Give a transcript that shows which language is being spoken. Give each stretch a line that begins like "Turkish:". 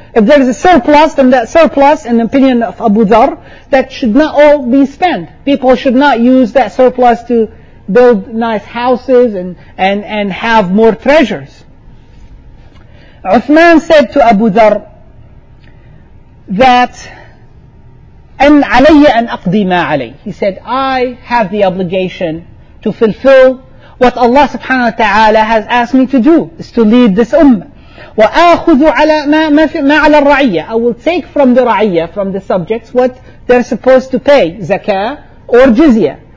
English: If there is a surplus, then that surplus, in the opinion of Abu Dharr, that should not all be spent. People should not use that surplus to build nice houses and have more treasures. Uthman said to Abu Dharr,
Arabic: that أن علي أن أقضي ما علي.
English: He said, I have the obligation to fulfill what Allah subhanahu wa ta'ala has asked me to do, is to lead this ummah.
Arabic: وأخذ على ما على الرعية.
English: I will take from the رعية, from the subjects, what they're supposed to pay, zakah or jizya.